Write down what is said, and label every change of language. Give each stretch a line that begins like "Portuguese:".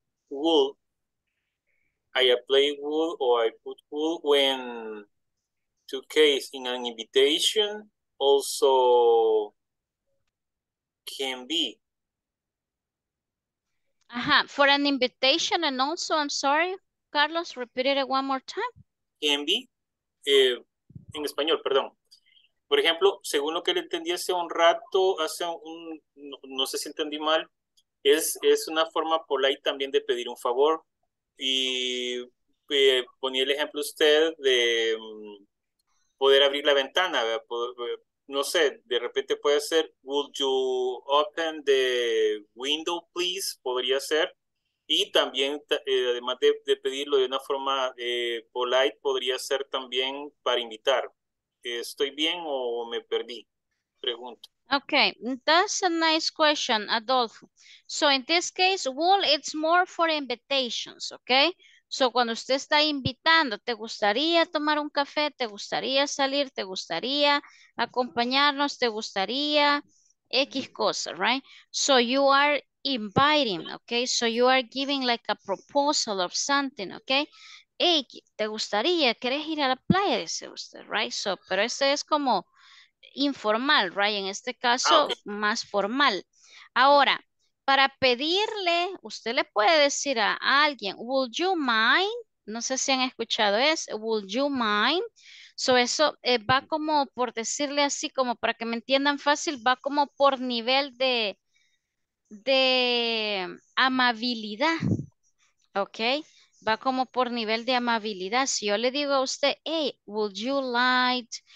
English: Would I apply would or I put would when two case in an invitation also can be. Uh-huh. For an invitation and also, I'm sorry, Carlos, repeat it one more time. Can be,
Spanish: en español, perdón. Por ejemplo, según lo que le entendí hace un rato, hace un, no sé si entendí mal, es una forma polite también de pedir un favor. Y ponía el ejemplo usted de poder abrir la ventana. No sé, de repente puede ser,
English: would you open the window, please?
Spanish: Podría ser. Y también, además de pedirlo de una forma polite, podría ser también para invitar. ¿Estoy bien o me perdí? Pregunto.
English: Okay, that's a nice question, Adolfo. So in this case, well, it's more for invitations, okay?
Spanish: So cuando usted está invitando, ¿te gustaría tomar un café? ¿Te gustaría salir? ¿Te gustaría acompañarnos? ¿Te gustaría X cosa,
English: right? So you are inviting, okay? So you are giving like a proposal of something, okay?
Spanish: Hey, ¿te gustaría? ¿Quieres ir a la playa? Dice usted, right? So, pero ese es como informal, right? En este caso, okay. Más formal. Ahora, para pedirle, usted le puede decir a alguien,
English: would you mind?
Spanish: No sé si han escuchado eso,
English: would you mind?
Spanish: So eso va como por decirle así, como para que me entiendan fácil, va como por nivel de amabilidad, ¿ok? Va como por nivel de amabilidad. Si yo le digo a usted, hey,
English: would you like...